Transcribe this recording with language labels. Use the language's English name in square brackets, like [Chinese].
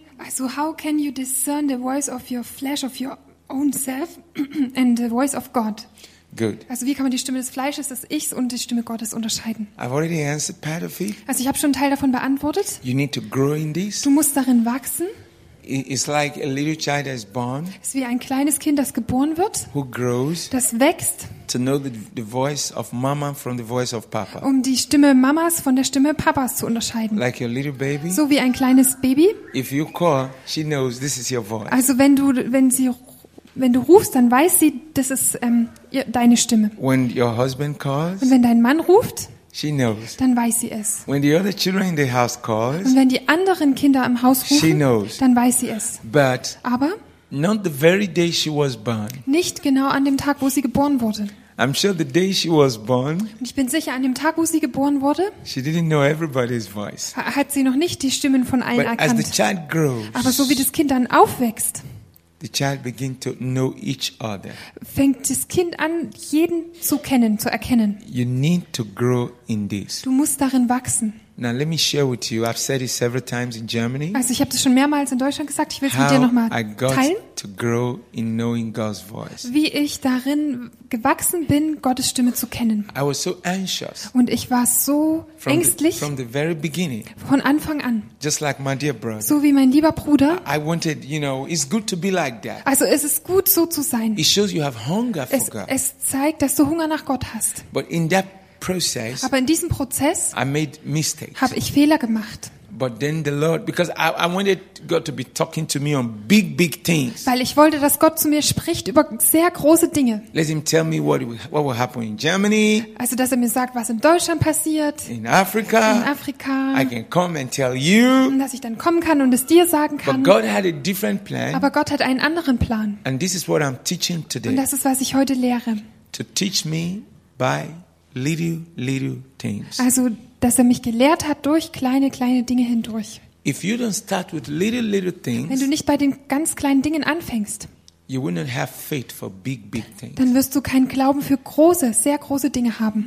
[English] So how can you discern the voice of your flesh, of your own self, and the voice of God? Good. [German] Also wie kann man die Stimme des Fleisches, des Ichs und die Stimme Gottes unterscheiden? [English] I've already answered part of it. [German] Also ich habe schon einen Teil davon beantwortet. [English] You need to grow in this. [German] Du musst darin wachsen. [English] It's like a little child that is born. [German] Es ist wie ein kleines Kind, das geboren wird. [English] Who grows? [German] Das wächst. [English] To know the voice of mama from the voice of papa. [German] Um die Stimme Mamas von der Stimme Papas zu unterscheiden. [English] Like your little baby. [German] So wie ein kleines Baby. [English] If you call, she knows this is your voice. [German] Also wenn du rufst, dann weiß sie, das ist deine Stimme. [English] When your husband calls. [German] Und wenn dein Mann ruft. [English] She knows. [German] Dann weiß sie es. [English] When the other children in the house calls. [German] Und wenn die anderen Kinder im Haus rufen. [English] She knows. [German] Dann weiß sie es. [English] But. [German] Aber. [English] Not the very day she was born. [German] Nicht genau an dem Tag, wo sie geboren wurde. [English] I'm sure the day she was born. [German] Und ich bin sicher, an dem Tag, wo sie geboren wurde. [English] She didn't know everybody's voice. [German] Hat sie noch nicht die Stimmen von allen erkannt. [English] But as the child grows, [German] aber so wie das Kind dann aufwächst, [English] the child begins to know each other. [German] Fängt das Kind an, jeden zu kennen, zu erkennen. [English] You need to grow in this. [German] Du musst darin wachsen. [English] Now let me share with you. I've said it several times in Germany. [German] Also ich habe das schon mehrmals in Deutschland gesagt. Ich will es mit dir nochmal teilen. [English] How I got to grow in knowing God's voice. [German] Wie ich darin gewachsen bin, Gottes Stimme zu kennen. [English] I was so anxious. [German] Und ich war so ängstlich. [English] From the very beginning. [German] Von Anfang an. [English] Just like my dear brother. [German] So wie mein lieber Bruder. [English] I wanted, you know, it's good to be like that. [German] Also es ist gut so zu sein. [English] It shows you have hunger for God. [German] Es zeigt, dass du Hunger nach Gott hast. [English] But in that process, [German] aber in diesem Prozess [English] I made mistakes. [German] Habe ich Fehler gemacht. [English] But then the Lord, because I wanted God to be talking to me on big, big things. [German] Weil ich wollte, dass Gott zu mir spricht über sehr große Dinge. [English] Let him tell me what will happen in Germany. [German] Also, dass er mir sagt, was in Deutschland passiert. [English] In Africa. [German] In Afrika. [English] I can come and tell you. [German] Und dass ich dann kommen kann und es dir sagen kann. [English] But God had a different plan. [German] Aber Gott hat einen anderen Plan. [English] And this is what I'm teaching today. [German] Und das ist, was ich heute lehre. [English] To teach me by little things. [German] Also, dass er mich gelehrt hat durch kleine, kleine Dinge hindurch. [English] If you don't start with little things, [German] wenn du nicht bei den ganz kleinen Dingen anfängst, [English] you will not have faith for big things. [German] Dann wirst du keinen Glauben für große, sehr große Dinge haben.